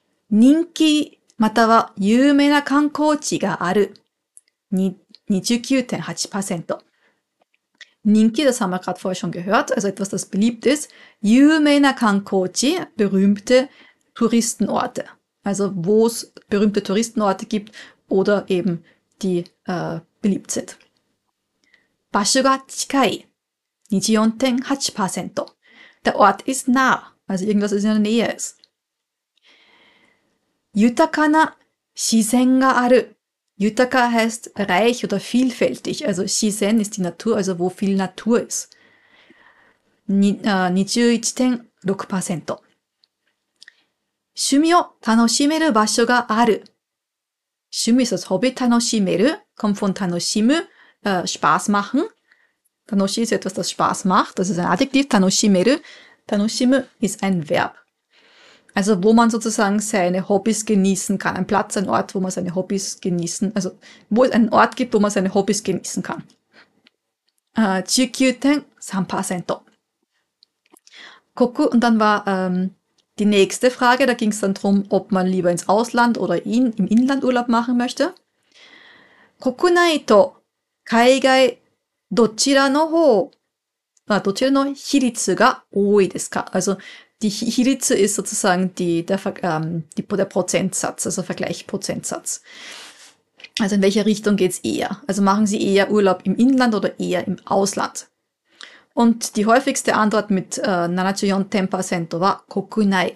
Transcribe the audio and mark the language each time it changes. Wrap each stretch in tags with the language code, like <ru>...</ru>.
<ja>人気または有名な観光地がある。 29.8%。</ja> <de>人気、das haben wir gerade vorher schon gehört, also etwas, das beliebt ist.</de> <ja>有名な観光地、</ja> <de>berühmte Touristenorte. Also wo es berühmte Touristenorte gibt oder eben die beliebt sind.</de> <ja>場所が近い。24.8%.</ja> <de>Der Ort ist nah, also irgendwas ist in der Nähe ist.</de> <ja>豊かな自然がある。</ja> <de>Yutaka heißt reich oder vielfältig. Also Shizen ist die Natur, also wo viel Natur ist.</de> <ja>21.6%. 趣味を楽しめる場所がある。</ja> <de>趣味ist das Hobby, 楽しめる kommt von 楽しむ Spaß machen. 楽しむ ist etwas, das Spaß macht. Das ist ein Adjektiv, 楽しめる。 楽しむ ist ein Verb. Also wo man sozusagen seine Hobbys genießen kann. Ein Platz, ein Ort, wo man seine Hobbys genießen, also wo es einen Ort gibt, wo man seine Hobbys genießen kann. 19.3%. Koku, und dann war die nächste Frage, da ging es dann darum, ob man lieber ins Ausland oder im Inland Urlaub machen möchte.</de> <ja>国内と海外どちらの方、どちらの比率が多いですか?</ja> <de>Also die Hiritsu ist sozusagen der Prozentsatz, also Vergleichprozentsatz. Also in welche Richtung geht's eher? Also machen Sie eher Urlaub im Inland oder eher im Ausland? Und die häufigste Antwort mit 74.10% war Kokunai.</de>